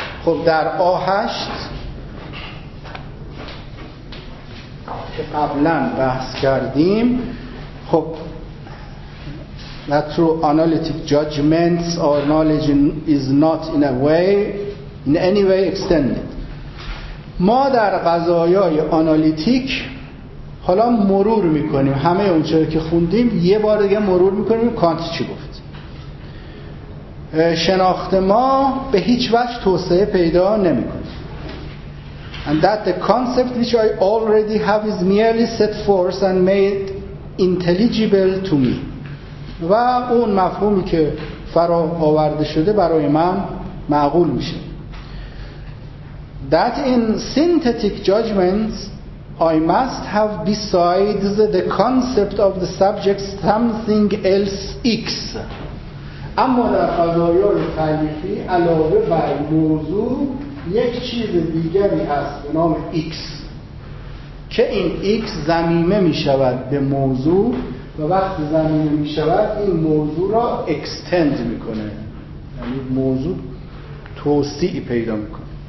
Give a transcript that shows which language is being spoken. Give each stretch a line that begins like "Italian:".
Persian: خب در آهشت که قبلا بحث کردیم، خب
English: that through analytic judgments or knowledge is not in a way in any way extended.
Persian: ما در قضایای آنالیتیک حالا مرور میکنیم همه اون چرا که خوندیم، یه بار دیگه مرور میکنیم کانت چی گفت. شناخت ما به هیچ وجه توسعه پیدا نمیکنه.
English: And that the concept which I already have is merely set forth and made intelligible to me.
Persian: و اون مفهومی که فرا آورده شده برای من معقول میشه.
English: That in synthetic judgments I must have besides the concept of the subject something else x.
Persian: اما در قضایای تعلیفی علاوه بر موضوع یک چیز دیگری هست به نام x، که این x ضمیمه می شود به موضوع، و وقت ضمیمه می شود این موضوع را extend می کنه، یعنی موضوع توسعه پیدا می کنه.